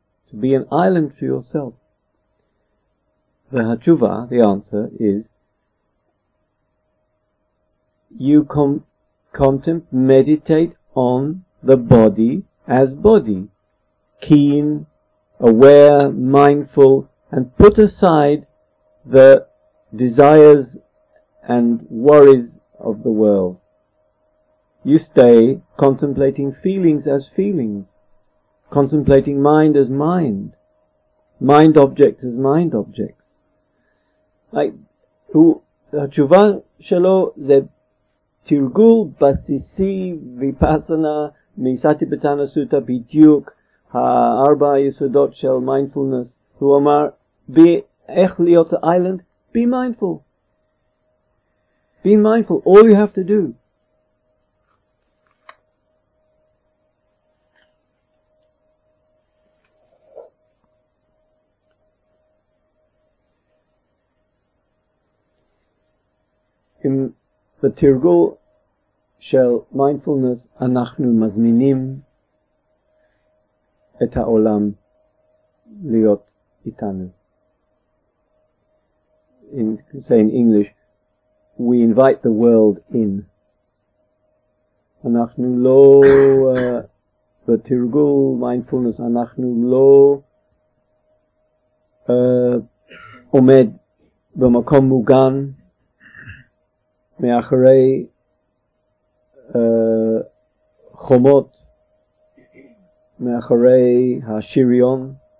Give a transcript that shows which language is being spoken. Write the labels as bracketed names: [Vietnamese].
[English] To be an island for yourself. Vehatshuva, the answer is, you meditate on the body as body, keen, aware, mindful, and put aside the desires and worries of the world. You stay contemplating feelings as feelings, contemplating mind as mind, mind objects as mind objects. [Hebrew] Like, התשובה שלו זה תרגול בסיסי ויפאסנה מסטיפטנה סוטה בדיוק הארבע יסודות של מיינדפולנס. הוא אמר, איך להיות איילנד? [English] Be mindful. Be mindful, all you have to do. [Hebrew] פסוקים בתרגול של מיינדפולנס, אנחנו מזמינים את העולם להיות איתנו. [English] In saying English, we invite the world in. [Hebrew] אנחנו לא בתרגול מיינדפולנס, אנחנו לא עומד במקום מוגן מאחורי חומות, מאחורי השריון.